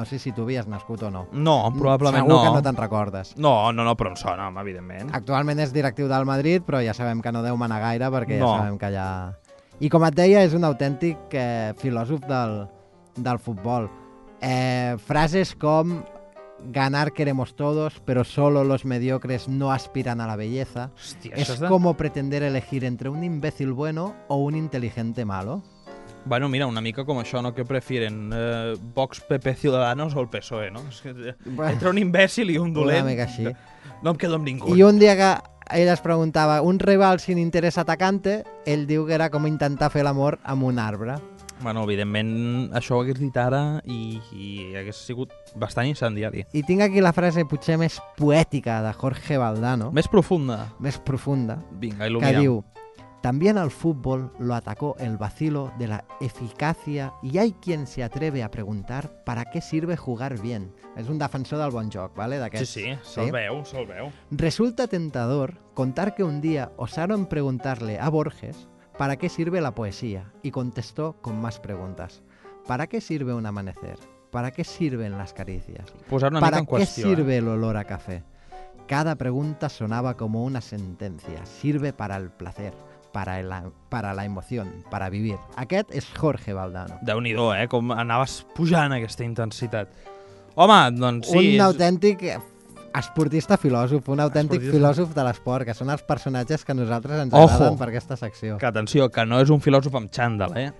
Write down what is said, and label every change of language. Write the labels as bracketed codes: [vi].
[ca] No sé si tu havies nascut o no. No, probablement segur no. Segur que no te'n recordes. No, no, no, però em sona, home, evidentment. Actualment és directiu del Madrid, però ja sabem que no deu manar gaire perquè no. Ja sabem que ja... I com et deia, és un autèntic filòsof del futbol. Frases com... [es] Ganar queremos todos, pero solo los mediocres no aspiran a la belleza. Hòstia, es de... como pretender elegir entre un imbécil bueno o un inteligente malo. [ca] Bueno, mira, una mica com això, no? Què prefieren? Vox, PP, Ciudadanos o el PSOE, no? Entre un imbècil i un dolent. Una mica així. No em quedo amb ningú. I un dia que ell es preguntava, [es] un rival sin interés atacante, [ca] ell diu que era com intentar fer l'amor amb un arbre. Bueno, evidentment, això ho hagués dit ara i hagués sigut bastant incendiari. I tinc aquí la frase potser més poètica de Jorge Valdano. Més profunda. Més profunda. Vinga, il·lumina. [es] Que diu, también al fútbol lo atacó el vacilo de la eficacia y hay quien se atreve a preguntar ¿para qué sirve jugar bien? [ca] És un defensor del bon joc, ¿vale? Sí, sí, se'l veu. [es] Resulta tentador contar que un día osaron preguntarle a Borges ¿para qué sirve la poesía? Y contestó con más preguntas. ¿Para qué sirve un amanecer? ¿Para qué sirven las caricias? [ca] Posar una [es] ¿Para [ca] mica en [es] qué [ca] qüestió, [es] sirve el olor a café? Cada pregunta sonaba como una sentencia. Sirve para el placer, para la emoción, para vivir. [ca] Aquest és Jorge Valdano. Déu-n'hi-do, com anaves pujant aquesta intensitat. Home, doncs sí... Un autèntic... esportista filòsof, un autèntic filòsof de l'esport, que són els personatges que nosaltres ens agraden per aquesta secció. Que atenció, que no és un filòsof amb xandall, eh?